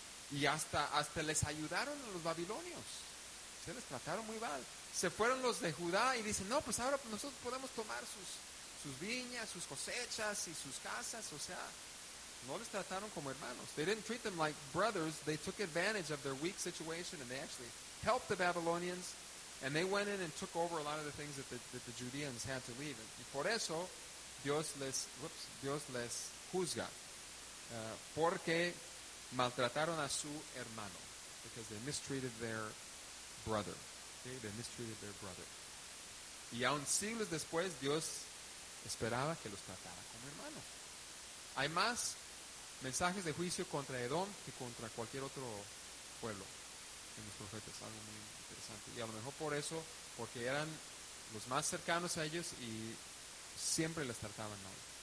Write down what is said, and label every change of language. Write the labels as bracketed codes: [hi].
[es] Y hasta les ayudaron a los babilonios. Se les trataron muy mal. Se fueron los de Judá y dicen, no, pues ahora nosotros podemos tomar sus viñas, sus cosechas y sus casas. O sea, no les trataron como hermanos. [en] They didn't treat them like brothers. They took advantage of their weak situation and they actually helped the Babylonians. And they went in and took over a lot of the things that the Judeans had to leave. [es] Y por eso, Dios les juzga. Porque maltrataron a su hermano. [en] Because they mistreated their brother. Okay? They mistreated their brother. [es] Y aún siglos después, Dios esperaba que los tratara como hermano. Hay más mensajes de juicio contra Edom que contra cualquier otro pueblo en los profetas. Algo muy interesante. Y a lo mejor por eso, porque eran los más cercanos a ellos y siempre les trataban mal.